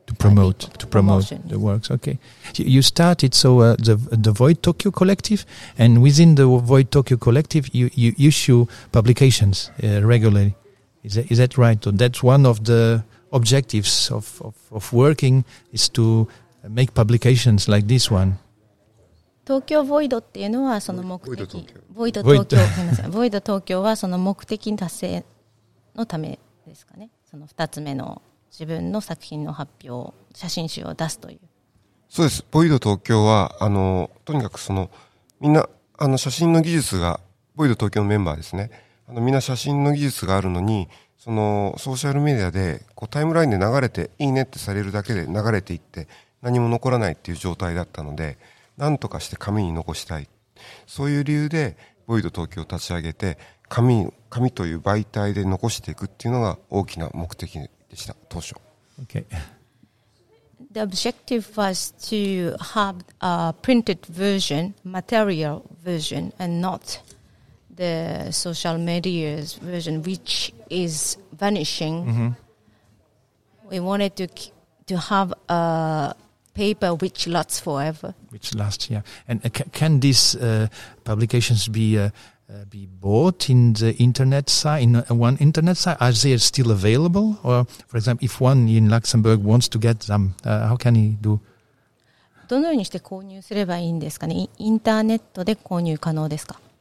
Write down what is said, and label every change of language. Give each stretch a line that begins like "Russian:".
English: To promote the works, okay. You started so the VoidTokyo collective, and within the VoidTokyo collective, you issue publications regularly. Is that right? So that's one of the objectives of working is to make publications like this one.
Japanese: Tokyo Void っていうのはその目的。 VoidTokyo。 VoidTokyo はその目的達成のためですかね。その二つ目の。自分の作品の発表、写真集を出すという。そうです。ボイド東京は、あの、とにかくその、みんな、あの、写真の技術が、ボイド東京のメンバーですね。あの、みんな写真の技術があるのに、その、ソーシャルメディアで、こう、タイムラインで流れて、いいねってされるだけで流れていって、何も残らないっていう状態だったので、なんとかして紙に残したい。そういう理由で、ボイド東京を立ち上げて、紙という媒体で残していくっていうのが大きな目的。
English: Okay. The objective was to have a printed version, material version, and not the social media's version, which is vanishing. Mm-hmm. We wanted to have a paper which lasts forever. Which lasts, yeah. And can these publications be bought in the internet site, in one internet site? Are they still available? Or, for example, if one in Luxembourg wants to get them, how can he do?
Japanese: どのようにして購入すればいいんですかね。インターネットで購入可能ですか。